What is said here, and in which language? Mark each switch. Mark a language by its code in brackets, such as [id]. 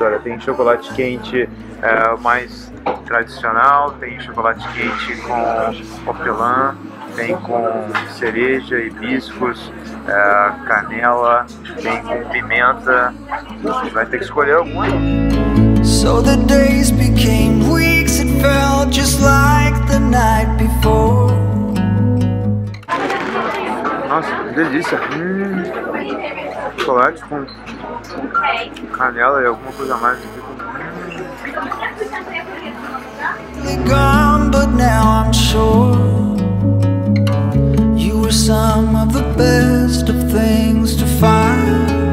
[pt] Olha, tem chocolate quente mais tradicional, tem chocolate quente com hortelã, tem com cereja, hibiscos, canela, tem com pimenta. A gente vai ter que escolher algum. [en] So the days became weeks, it felt just like the night before. [pt] Nossa, que delícia! Chocolate com canela e alguma coisa mais aqui. [en] Gone, but now I'm sure you were some of the best of things to find.